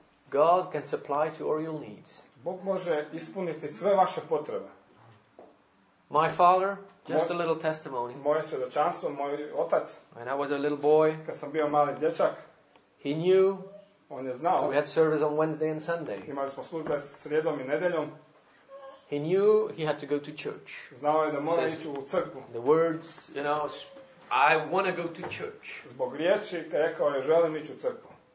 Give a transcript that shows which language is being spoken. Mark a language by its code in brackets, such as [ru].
[en] God can supply to all your needs. [hr] Bog može ispuniti sve vaše potrebe. [en] My father Just a little testimony. [hr] Moje svjedočanstvo, moj otac. [en] When I was a little boy. [hr] Kad sam bio mali dječak. [en] He knew. [hr] On je znao. [en] So we had service on Wednesday and Sunday. [hr] Imali smo službe srijedom i nedjeljom. [en] He knew he had to go to church. [hr] Znao je da mora ići u crkvu. [en] The words, you know, I want to go to church. [hr] Zbog riječi rekao je želim ići u crkvu.